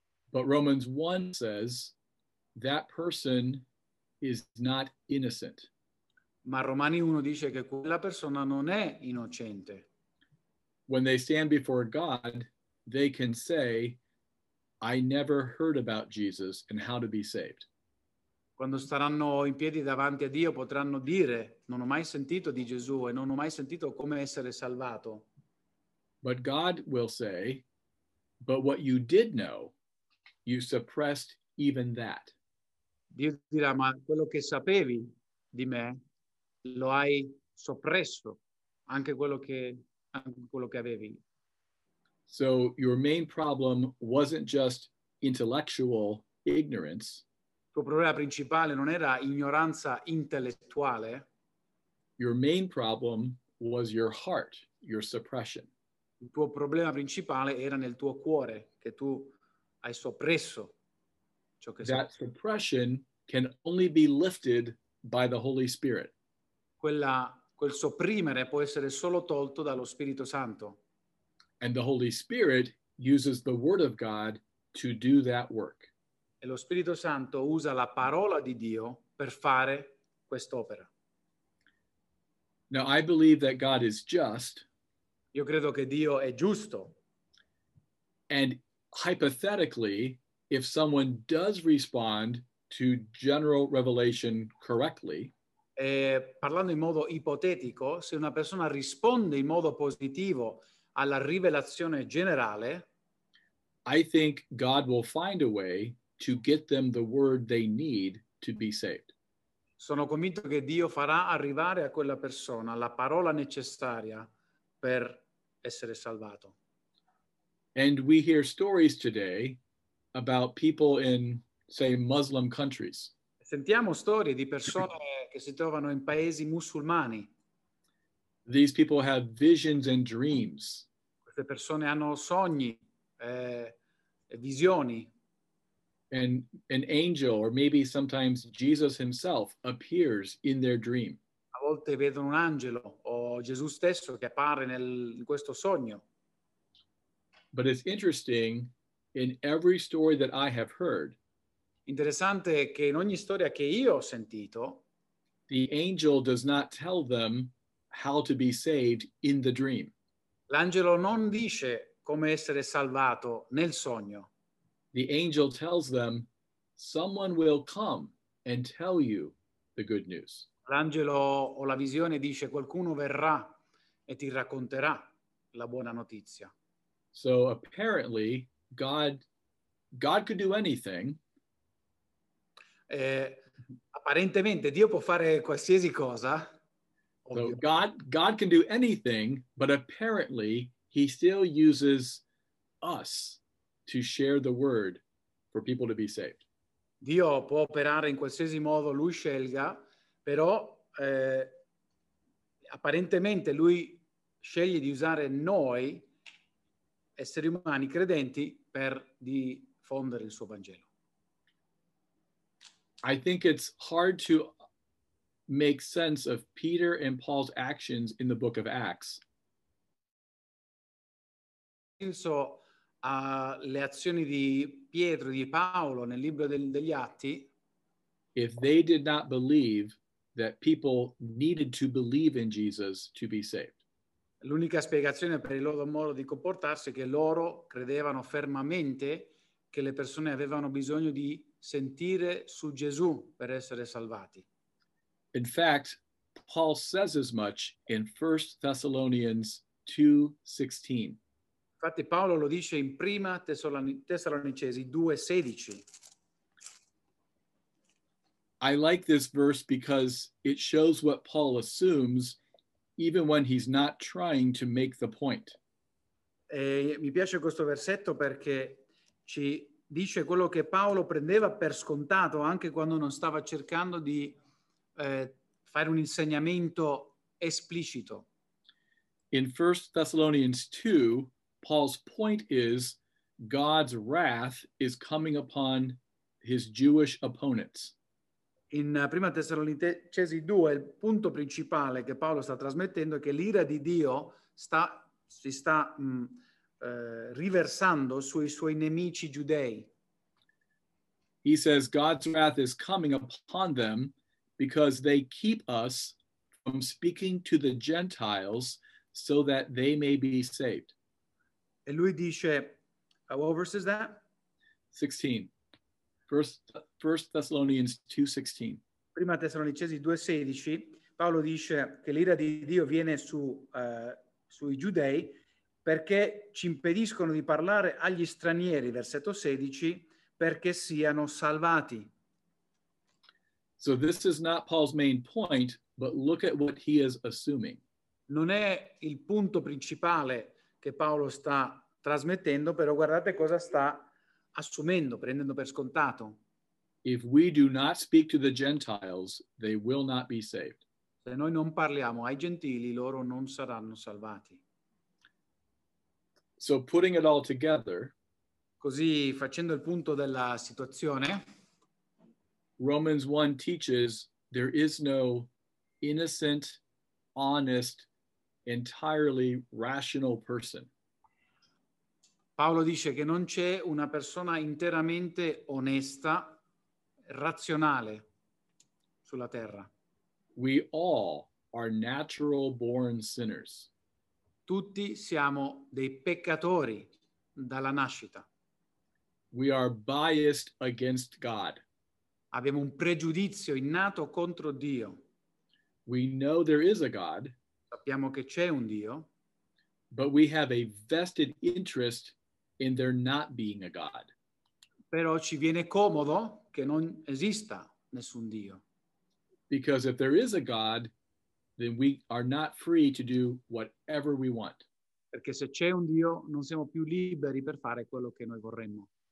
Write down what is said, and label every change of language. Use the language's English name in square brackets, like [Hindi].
[English] But Romans 1 says that person is not innocent. [Italian] Ma Romani 1 dice che quella persona non è innocente. [English] When they stand before God, they can say, I never heard about Jesus and how to be saved. [Italian] Quando staranno in piedi davanti a Dio, potranno dire, non ho mai sentito di Gesù e non ho mai sentito come essere salvato. [English] But God will say, but what you did know, you suppressed even that. [Italian] Dio dirà, ma quello che sapevi di me lo hai soppresso, anche quello che avevi. [English] So your main problem wasn't just intellectual ignorance. [Italian] Il tuo problema principale non era ignoranza intellettuale. [English] Your main problem was your heart, your suppression. [Italian] Il tuo problema principale era nel tuo cuore, che tu hai soppresso ciò che [English] that suppression can only be lifted by the Holy Spirit. [Italian] Quel sopprimere può essere solo tolto dallo Spirito Santo. [English] And the Holy Spirit uses the Word of God to do that work. [Italian] E lo Spirito Santo usa la parola di Dio per fare quest'opera. [English] Now I believe that God is just. [Italian] Io credo che Dio è giusto. [English] And hypothetically, if someone does respond to general revelation correctly, [Italian] parlando in modo ipotetico, se una persona risponde in modo positivo alla rivelazione generale, [English] I think God will find a way to get them the word they need to be saved. [Italian] Sono convinto che Dio farà arrivare a quella persona la parola necessaria per essere salvato. [English] And we hear stories today about people in, say, Muslim countries. [Italian] Sentiamo storie di persone che si trovano in paesi musulmani. [English] These people have visions and dreams. [Italian] Queste persone hanno sogni, visioni. [English] And an angel, or maybe sometimes Jesus himself, appears in their dream. [Italian] A volte vedono un angelo o Gesù stesso che appare in questo sogno. [English] But it's interesting, in every story that I have heard, [Italian] interessante che in ogni storia che io ho sentito, [English] the angel does not tell them how to be saved in the dream. [Italian] L'angelo non dice come essere salvato nel sogno. [English] The angel tells them, someone will come and tell you the good news. [Italian] L'angelo o la visione dice, qualcuno verrà e ti racconterà la buona notizia. [English] So apparently, God could do anything. [Italian] Apparentemente, Dio può fare qualsiasi cosa. [English] So God can do anything, but apparently, he still uses us to share the word for people to be saved. [Italian] Dio può operare in qualsiasi modo lui scelga, però apparentemente lui sceglie di usare noi, esseri umani credenti, per diffondere il suo Vangelo. [English] I think it's hard to make sense of Peter and Paul's actions in the book of Acts. [Italian] Penso alle azioni di Pietro e di Paolo nel libro degli Atti. [English] If they did not believe that people needed to believe in Jesus to be saved. [Italian] L'unica spiegazione per il loro modo di comportarsi è che loro credevano fermamente che le persone avevano bisogno di sentire su Gesù per essere salvati. [English] In fact, Paul says as much in 1 Thessalonians 2:16. [Italian] Infatti Paolo lo dice in Prima Tessalonicesi 2:16. [English] I like this verse because it shows what Paul assumes even when he's not trying to make the point. [Italian] E mi piace questo versetto perché ci dice quello che Paolo prendeva per scontato anche quando non stava cercando di fare un insegnamento esplicito. [English] In 1 Thessalonians 2, Paul's point is God's wrath is coming upon his Jewish opponents. [Italian] In Prima Tessalonicesi 2, il punto principale che Paolo sta trasmettendo è che l'ira di Dio si sta riversando sui suoi nemici giudei. [English] He says God's wrath is coming upon them because they keep us from speaking to the Gentiles so that they may be saved. [Italian] E lui dice, [English] what verse is that? 16. First Thessalonians 2:16. [Italian] Prima Tessalonicesi 2:16, Paolo dice che l'ira di Dio viene sui giudei perché ci impediscono di parlare agli stranieri, versetto 16, perché siano salvati. [English] So this is not Paul's main point, but look at what he is assuming. [Italian] Non è il punto principale che Paolo sta trasmettendo, però guardate cosa sta assumendo, prendendo per scontato. [English] If we do not speak to the Gentiles, they will not be saved. [Italian] Se noi non parliamo ai gentili, loro non saranno salvati. [English] So putting it all together, [Italian] così facendo il punto della situazione, [English] Romans 1 teaches there is no innocent, honest, entirely rational person. [Italian] Paolo dice che non c'è una persona interamente onesta, razionale sulla terra. [English] We all are natural born sinners. [Italian] Tutti siamo dei peccatori dalla nascita. [English] We are biased against God. [Italian] Abbiamo un pregiudizio innato contro Dio. [English] We know there is a God. [Italian] Sappiamo che c'è un Dio. [English] But we have a vested interest in there not being a God. [Italian] Però ci viene comodo che non esista nessun Dio. [English] Because if there is a God, then we are not free to do whatever we want. [Italian] Perché se c'è un Dio, non siamo più liberi per fare quello che noi vorremmo.